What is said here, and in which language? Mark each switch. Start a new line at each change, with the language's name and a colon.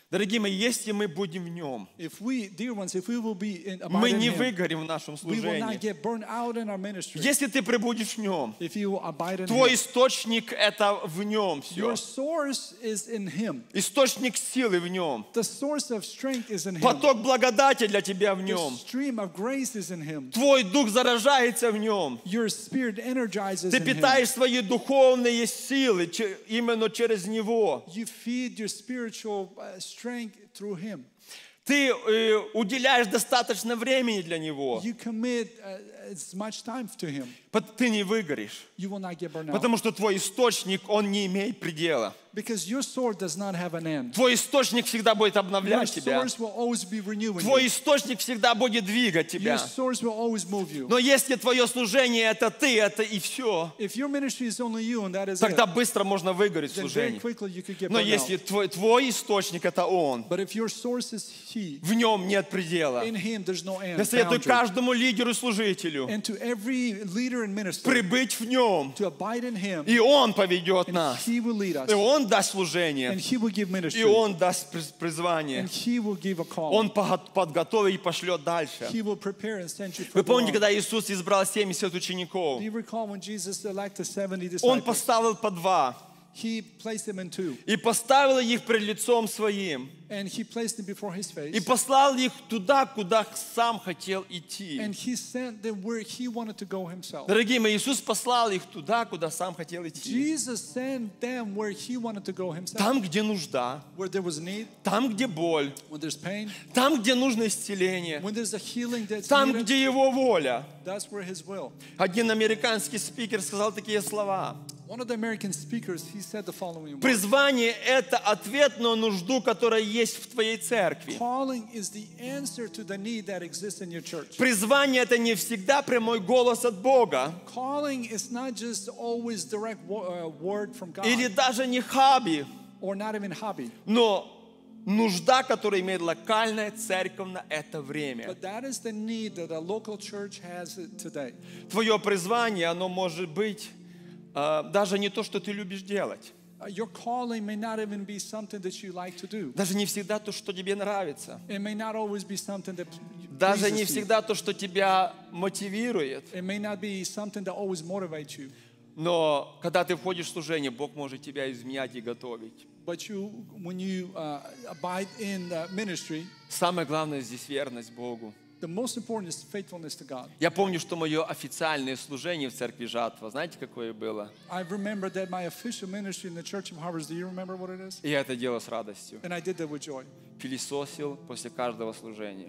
Russian: Дорогие мои, если мы будем в нем,
English: if we, dear ones, if we will be in,
Russian: мы не
English: in him,
Russian: выгорим в нашем служении.
English: We will not get burned out in our ministry.
Russian: Если ты пребудешь в нем,
English: if you will abide in
Russian: твой
English: him,
Russian: источник – это в нем все.
English: Your source is in him.
Russian: Источник силы в нем.
English: The source of strength is in him.
Russian: Поток благодати для тебя в нем.
English: The stream of grace is in him.
Russian: Твой дух заражается в нем.
English: Your spirit energizes in him.
Russian: Ты питаешь свои духовные силы именно через Него.
English: You feed your spiritual strength through Him.
Russian: Ты уделяешь достаточно времени для Него.
English: You commit as much time to Him.
Russian: Ты не выгоришь.
English: You will not get burned out.
Russian: Потому что твой источник, он не имеет предела.
English: Because your sword does not have an end.
Russian: Твой источник всегда будет обновлять тебя.
English: Your source will always be renewing you.
Russian: Твой источник всегда будет двигать тебя.
English: Your source will always move you.
Russian: Но если твое служение это ты, это и все,
English: if your ministry is only you and that is
Russian: тогда
English: it,
Russian: быстро можно выгореть служение.
English: Then very quickly you could get burned.
Russian: Но если твой источник это он,
English: but if your source is he,
Russian: в нем нет предела.
English: In him there's no end.
Russian: Я советую каждому лидеру и служителю
English: and to every leader and minister,
Russian: прибыть в нем,
English: to abide in him,
Russian: и он поведет нас.
English: He will lead us.
Russian: Он даст служение.
English: And he will give ministry.
Russian: И Он даст призвание.
English: And he will give a call.
Russian: Он подготовит и пошлет дальше.
English: He will prepare and send you for
Russian: Вы помните,
English: more.
Russian: Когда Иисус избрал 70 учеников?
English: Do you recall when Jesus elected 70 disciples?
Russian: Он поставил по два.
English: He placed them in two.
Russian: И поставил их пред лицом Своим.
English: And he placed them before his face.
Russian: И послал их туда, куда сам хотел идти.
English: And he sent them where he wanted to go himself.
Russian: Дорогие мои, Иисус послал их туда, куда сам хотел идти.
English: Jesus sent them where he wanted to go himself.
Russian: Там, где нужда.
English: Where there was need.
Russian: Там, где боль.
English: When there's pain.
Russian: Там, где нужно исцеление.
English: When there's a healing that's needed.
Russian: Там, где его воля.
English: That's where his will.
Russian: Один американский спикер сказал такие слова.
English: One of the American speakers, he said the following words.
Russian: Призвание – это ответ на нужду, которая есть в твоей церкви.
English: Calling is the answer to the need that exists in your church.
Russian: Призвание – это не всегда прямой голос от Бога.
English: Calling is not just always direct word from God.
Russian: Или даже не хобби.
English: Or not even hobby.
Russian: Но нужда, которую имеет локальная церковь на это время.
English: But that is the need that a local church has today.
Russian: Твое призвание, оно может быть даже не то, что ты любишь делать.
English: Your calling may not even be something that you like to do.
Russian: Даже не всегда то, что тебе нравится.
English: It may not always be something that
Russian: даже не всегда то, что тебя мотивирует.
English: It may not be something that always motivates you.
Russian: Но когда ты входишь в служение, Бог может тебя изменять и готовить.
English: But you, when you abide in the ministry,
Russian: самое главное здесь верность Богу.
English: The most important is faithfulness to God.
Russian: Я помню, что мое официальное служение в церкви Жатва, знаете, какое было?
English: I remember that my official ministry in the Church of Harvest. Do you remember what it is?
Russian: И я это делал с радостью.
English: And I did that with joy.
Russian: Пылесосил после каждого служения.